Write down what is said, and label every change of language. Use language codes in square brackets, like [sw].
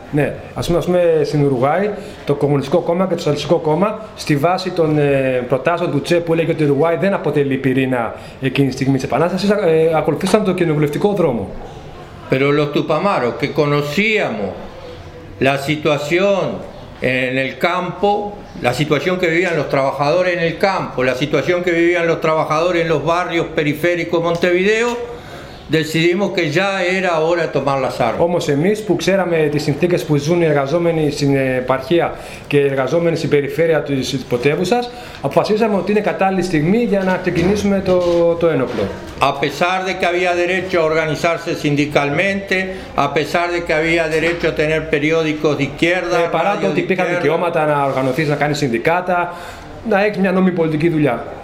[el] Ναι, ας πούμε στην Ουρουγουάη, το Κομμουνιστικό Κόμμα και το Σοσιαλιστικό Κόμμα, στη βάση των προτάσεων του Τσε που έλεγε ότι η Ουρουγουάη δεν αποτελεί πυρήνα εκείνη τη στιγμή της Επανάστασης, ακολουθήσαν τον κοινοβουλευτικό δρόμο. [es] Pero los tupamaros, que conocíamos la situación en el campo, la situación que vivían los trabajadores en el campo, la situación que vivían los trabajadores en los barrios periféricos de Montevideo, decidimos que ya era hora de tomar las armas. [el] Όμως εμείς που ξέραμε τις συνθήκες που ζουν οι εργαζόμενοι στην επαρχία και οι εργαζόμενοι στην περιφέρεια της υποτεύουσας, αποφασίσαμε ότι είναι κατάλληλη στιγμή για να ξεκινήσουμε το ένοπλο. [es] A pesar de que había derecho a organizarse sindicalmente, a pesar de que había derecho a tener periódicos de izquierda, [el] παρά το ότι υπήρχαν δικαιώματα να οργανωθείς, να κάνεις συνδικάτα, να έχεις μια νόμιμη πολιτική δουλειά.